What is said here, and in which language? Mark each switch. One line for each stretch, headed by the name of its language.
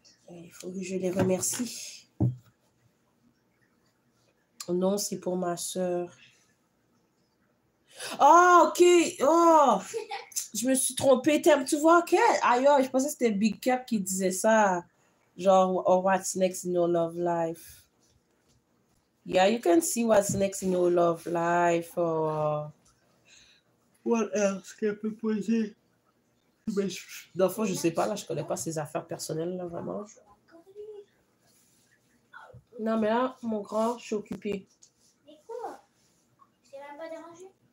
French: Et il faut que je les remercie. Non, c'est pour ma soeur.
English: Oh, OK.
French: Oh, je me suis trompée. Tu vois, OK. Aïe, je pensais que c'était Big Cap qui disait ça. Genre,
English: or what's next in your love life? Yeah, you can see what's next in your love life, or what else can I proposer?
French: Mais dans le fond, je sais pas, là, je connais pas ses affaires personnelles, là, vraiment. Non, mais là, mon grand, je suis occupée. Mais quoi? C'est même pas dérangé?